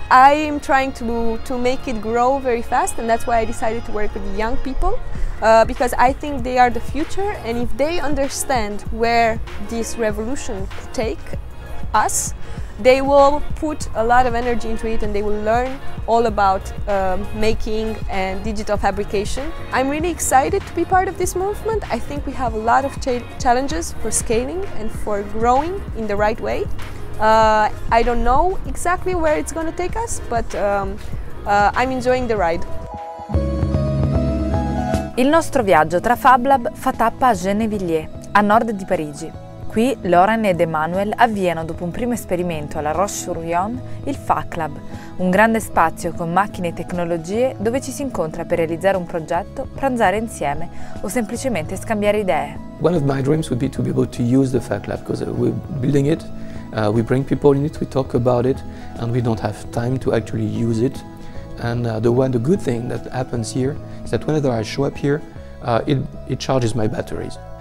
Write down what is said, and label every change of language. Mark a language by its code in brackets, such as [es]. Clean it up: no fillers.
[en] I am trying to make it grow very fast, and that's why I decided to work with young people, because I think they are the future, and if they understand where this revolution could take us, they will put a lot of energy into it and they will learn all about making and digital fabrication. I'm really excited to be part of this movement. I think we have a lot of challenges for scaling and for growing in the right way. I don't know exactly where it's going to take us, but I'm enjoying the ride. [it] Il nostro viaggio tra Fablab fa tappa a Gennevilliers, a nord di Parigi. Qui Lauren ed Emmanuel avviano dopo un primo esperimento alla Roche-sur-Yon il Faclab, un grande spazio con macchine e tecnologie dove ci si incontra per realizzare un progetto, pranzare insieme o semplicemente scambiare idee. [en] One of my dreams would be to be able to use the Faclab because we're building it, we bring people in it, we talk about it, and we don't have time to actually use it. And the good thing that happens here is that whenever I show up here, it charges my batteries.